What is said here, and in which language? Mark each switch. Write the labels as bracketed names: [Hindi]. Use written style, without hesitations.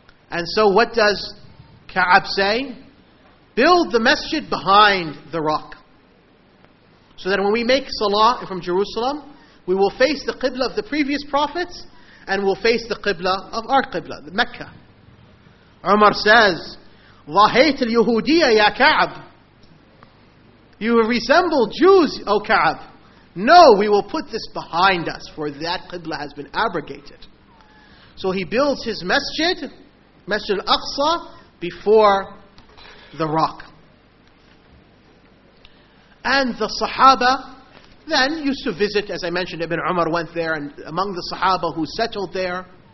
[English] And so what does Ka'ab say? Build the masjid behind the rock. So that when we make salah from Jerusalem, we will face the qibla of the previous prophets, and we'll face the qibla of our qibla, Mecca. Umar says, [Arabic] ظهيت اليهودية يا كعب. [English] You resemble Jews, O Ka'ab. No, we will put this behind us, for that qibla has been abrogated. So he builds his masjid, Masjid al-Aqsa, before the rock. And the Sahaba then used to visit, as I mentioned, Ibn Umar went there, and among the Sahaba who settled there.